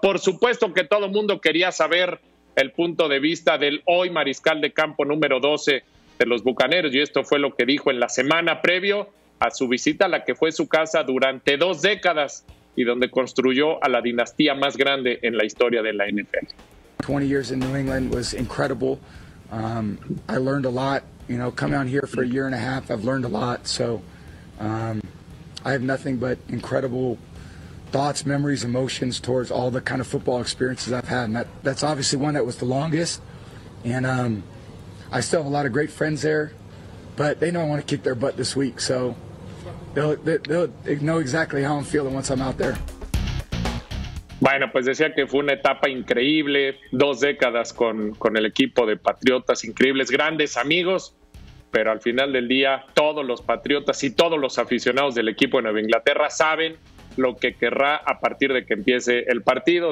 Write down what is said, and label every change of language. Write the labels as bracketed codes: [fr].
[es] Por supuesto que todo mundo quería saber el punto de vista del hoy mariscal de campo número 12 de los Bucaneros, y esto fue lo que dijo en la semana previo a su visita a la que fue su casa durante 2 décadas y donde construyó a la dinastía más grande en la historia de la NFL. [en] 20 years in New England was incredible. I learned a lot, you know, come out here for a year and a half, I've learned a lot, so I have nothing but incredible thoughts, memories, emotions towards all the kind of football experiences I've had. And that's obviously one that was the longest. And I still have a lot of great friends there, but they know I want to kick their butt this week. So they'll know exactly how I'm feeling once I'm out there. [es] Bueno, pues decía que fue una etapa increíble, 2 décadas con el equipo de Patriotas, increíbles, grandes amigos. Pero al final del día, todos los Patriotas y todos los aficionados del equipo de Nueva Inglaterra saben lo que querrá a partir de que empiece el partido.